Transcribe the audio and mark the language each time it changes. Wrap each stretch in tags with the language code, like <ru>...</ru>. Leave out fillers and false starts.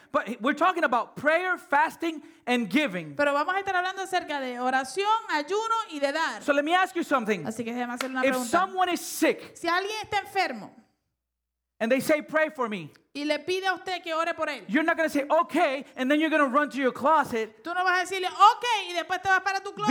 <en>But we're talking about prayer, fasting, and giving.</en> <es>Pero vamos a estar hablando acerca de oración, ayuno y de dar.</es> <en>So let me ask you something.</en> <es>Así que déjame hacer una pregunta.</es> <en>If someone is sick,</en> <es>si alguien está enfermo,</es> <en>and they say, "Pray for me."</en> <es>Y le pide a usted que ore por él.</es> <en>You're not going to say, okay, and then you're going to run to your closet.</en> <es>Tú no vas a decirle, okay, y después te vas para tu closet.</es>